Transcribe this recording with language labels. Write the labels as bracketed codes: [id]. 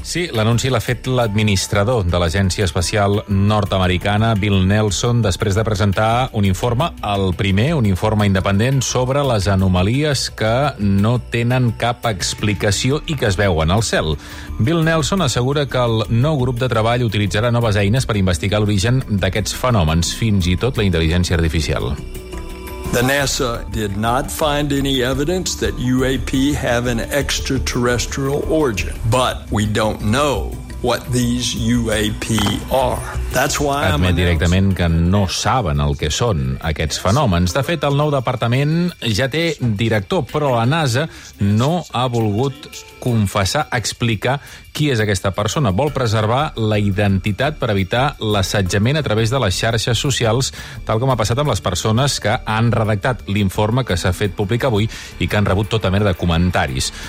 [en] Sí, l'anunci l'ha fet l'administrador de l'Agència Espacial Nord-Americana, Bill Nelson, després de presentar un informe, el primer, un informe independent, sobre les anomalies que no tenen cap explicació i que es veuen al cel. Bill Nelson assegura que el nou grup de treball utilitzarà noves eines per investigar l'origen d'aquests fenòmens, fins i tot la intel·ligència artificial. The NASA did not find any evidence that UAP have an extraterrestrial origin, but we don't know what these UAP are. That's why [ca] admet directament que no saben el que són aquests fenòmens. De fet, el nou departament ja té director, però la NASA no ha volgut confessar, explicar qui és aquesta persona. Vol preservar la identitat per evitar l'assetjament a través de les xarxes socials, tal com ha passat amb les persones que han redactat l'informe que s'ha fet públic avui i que han rebut tota mena de comentaris.